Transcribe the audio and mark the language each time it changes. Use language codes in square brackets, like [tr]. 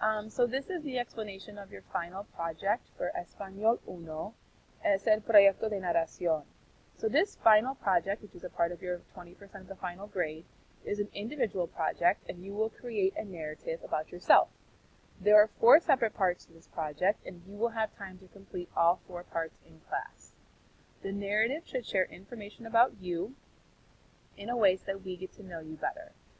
[en] So this is the explanation of your final project for Espanol 1. [es] Es el proyecto de narración. [en] So this final project, which is a part of your 20% of the final grade, is an individual project and you will create a narrative about yourself. There are four separate parts to this project and you will have time to complete all four parts in class. The narrative should share information about you in a way so that we get to know you better.